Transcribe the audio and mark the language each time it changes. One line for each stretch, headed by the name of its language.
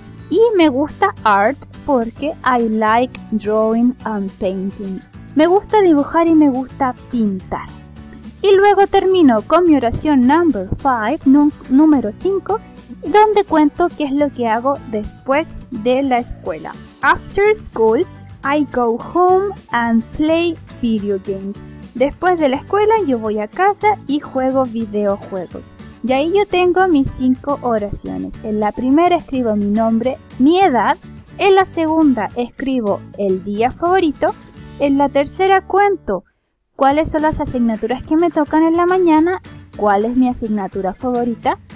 Spanish: Y me gusta art porque
English: I like drawing and painting.
Spanish: Me gusta dibujar y me gusta pintar. Y luego termino con mi oración número 5, donde cuento qué es lo que hago después de la escuela.
English: After school, I go home and play video games.
Spanish: Después de la escuela, yo voy a casa y juego videojuegos. Y ahí yo tengo mis 5 oraciones. En la primera escribo mi nombre, mi edad. En la segunda escribo el día favorito. En la tercera cuento cuáles son las asignaturas que me tocan en la mañana, cuál es mi asignatura favorita.